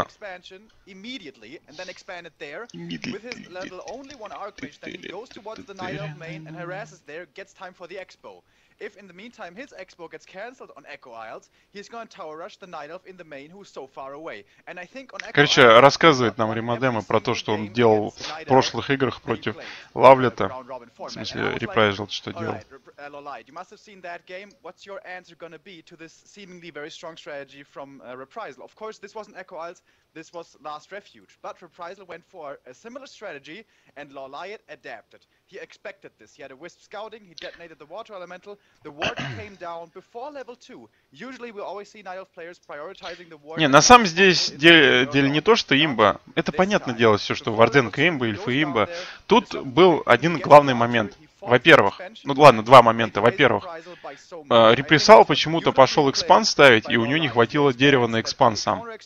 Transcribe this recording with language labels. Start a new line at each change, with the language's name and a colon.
English: expansion immediately and then expanded there with his level only one Archmage. Then he goes towards the Night Elf main and harasses there, gets time for the Expo. If in the meantime his Expo gets cancelled on Echo Isles, he's going to tower rush the Night Elf in the main who's so far away. And I think on Echo
Russian: Короче,
English: Isles,
Russian: рассказывает нам Римодемо про то, что он делал в прошлых играх против Лавлета. В смысле, репрайзил, что делал.
English: Alright, you must have seen that game. What's your answer going to be to this seemingly very strong strategy from Reprisal? Of course, this wasn't Echo Isles, this was Last Refuge. But Reprisal went for a similar strategy, and Law Liot adapted. He expected this. He had a Wisp scouting, he detonated the Water Elemental. The Warden came down before level 2. Usually we always see Night Elf players prioritizing the Warden.
Russian: Не, на самом здесь деле не то, что имба. Это понятное дело, все, что Варденка имба, эльфы имба. Тут был один главный момент. Во-первых, ну ладно, два момента. Во-первых, репрессал почему-то пошел экспанс ставить, и у него не хватило дерева на экспанс сам.